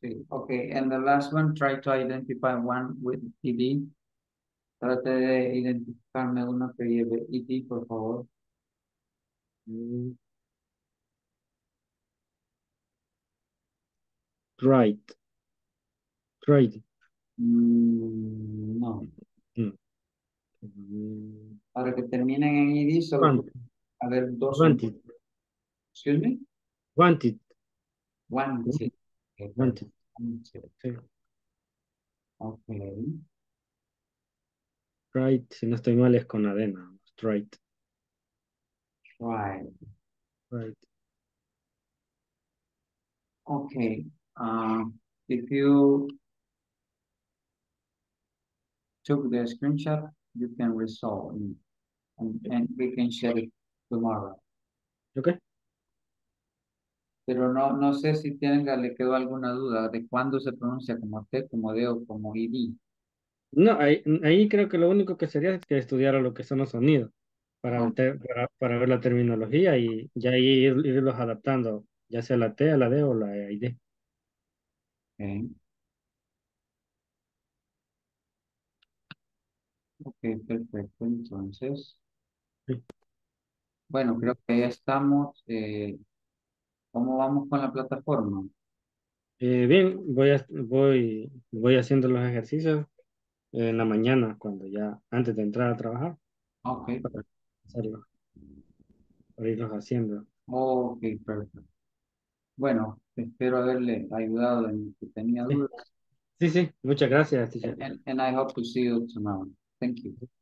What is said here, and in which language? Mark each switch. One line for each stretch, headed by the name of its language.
English: Okay, and the last one, try to identify one with ED.
Spanish: Trate de identificarme una que lleve ED, por favor.
English: Right. Right.
Spanish: No. Para que terminen en ED, solo.
English: Wanted.
Spanish: A ver, dos.
English: Wanted. Excuse me. Wanted. Wanted. Okay. Wanted. Okay. Right,
Spanish: si no estoy mal es con arena.
English: Right. Right. Right. Okay. If you took the screenshot, you can resolve and we can share it tomorrow. Okay.
Spanish: Pero no sé si tenga, le quedó alguna duda de cuándo se pronuncia como T, como D o como ID. No, ahí creo que lo único que sería es que estudiara lo que son los sonidos para, okay. para ver la terminología y ya irlos adaptando, ya sea la T, a la D o la ID. Ok, perfecto, entonces. Sí. Bueno, creo que ya estamos... ¿Cómo vamos con la plataforma? Bien, voy haciendo los ejercicios en la mañana, cuando ya antes de entrar a trabajar. Ok. Para irlos haciendo. Ok, perfecto. Bueno, espero haberle ayudado en que tenía dudas. Sí, muchas gracias, teacher.
English: And I hope to see you tomorrow. Thank you.